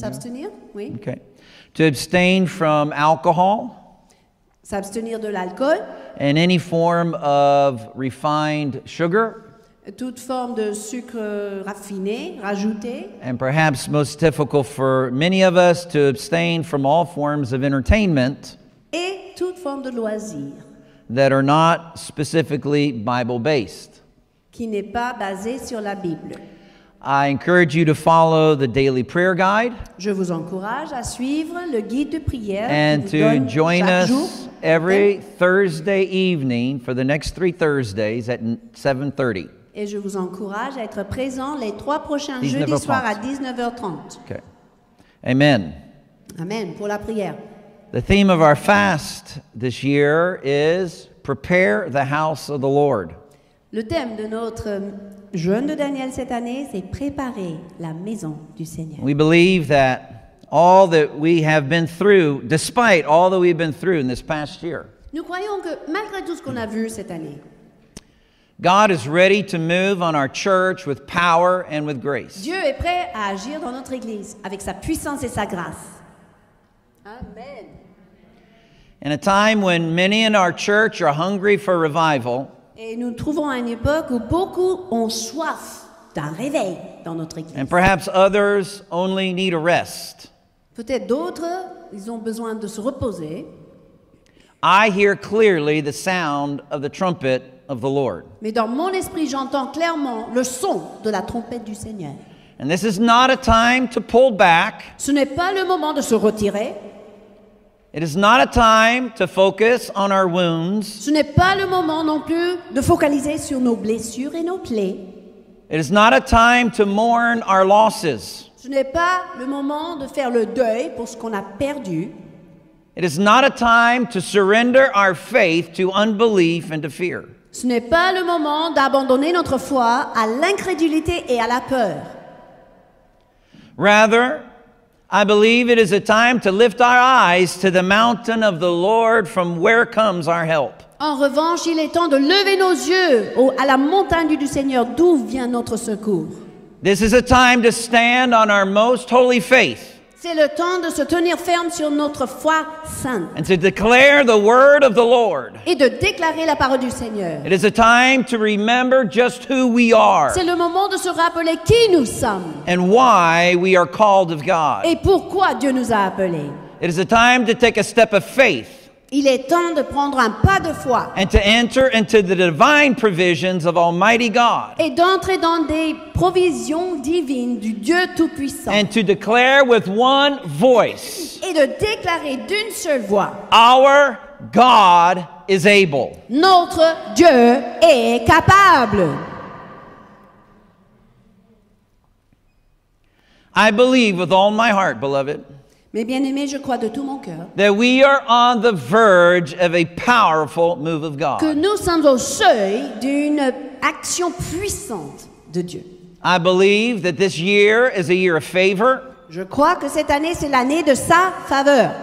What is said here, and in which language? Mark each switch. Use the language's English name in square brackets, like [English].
[French] S'abstenir, oui. [English] Okay. To abstain from alcohol. [French] S'abstenir de l'alcool. [English] And any form of refined sugar. [French] Toute forme de sucre raffiné, rajouté. [English] And perhaps most difficult for many of us to abstain from all forms of entertainment. [French] Et toute forme de loisir. [English] That are not specifically Bible-based. [French] Qui n'est pas basé sur la Bible. [English] I encourage you to follow the daily prayer guide. [French] Je vous encourage à suivre le guide de prière. [English] And to join us every Thursday evening for the next 3 Thursdays at 7:30. [French] Et je vous encourage à être présent les 3 prochains jeudis soirs à 19h30. [English] Okay. Amen. [French] Amen pour la prière. [English] The theme of our fast this year is prepare the house of the Lord. [French] Le thème de notre jeûne de Daniel cette année, c'est préparer la maison du Seigneur. [English] We believe that all that we have been through, despite all that we've been through in this past year. [French] Nous croyons que malgré tout ce qu'on a vu cette année, [English] God is ready to move on our church with power and with grace. [French] Dieu est prêt à agir dans notre église avec sa puissance et sa grâce. [English] Amen. In a time when many in our church are hungry for revival. [French] Et nous trouvons à une époque où beaucoup ont soif d'un réveil dans notre église. [English] And perhaps others only need a rest. [French] Peut-être d'autres, ils ont besoin de se reposer. [English] I hear clearly the sound of the trumpet of the Lord. [French] Mais dans mon esprit, j'entends clairement le son de la trompette du Seigneur. [English] And this is not a time to pull back. [French] Ce n'est pas le moment de se retirer. [English] It is not a time to focus on our wounds. [French] Ce n'est pas le moment non plus de focaliser sur nos blessures et nos plaies. [English] It is not a time to mourn our losses. [French] Ce n'est pas le moment de faire le deuil pour ce qu'on a perdu. [English] It is not a time to surrender our faith to unbelief and to fear. [French] Ce n'est pas le moment d'abandonner notre foi à l'incrédulité et à la peur. [English] Rather, I believe it is a time to lift our eyes to the mountain of the Lord from where comes our help. [French] En revanche, il est temps de lever nos yeux à la montagne du Seigneur, d'où vient notre secours. [English] This is a time to stand on our most holy faith. [French] C'est le temps de se tenir ferme sur notre foi sainte. [English] And to declare the word of the Lord. [French] Et de déclarer la parole du Seigneur. [English] It is a time to remember just who we are. [French] C'est le moment de se rappeler qui nous sommes. [English] And why we are called of God. [French] Et pourquoi Dieu nous a appelés. [English] It is a time to take a step of faith. [French] Il est temps de prendre un pas de foi. [English] And to enter into the divine provisions of Almighty God. [French] Et d'entrer dans des provisions divines du Dieu Tout-Puissant. [English] And to declare with one voice. [French] et de déclarer d'une seule voix. [English] Our God is able. [French] Notre Dieu est capable. [English] I believe with all my heart, beloved. [French] Mais bien-aimé, je crois de tout mon cœur. [English] That we are on the verge of a powerful move of God. [French] Que nous sommes au seuil d'une action puissante de Dieu. [English] I believe that this year is a year of favor. [French] Je crois que cette année c'est l'année de sa faveur.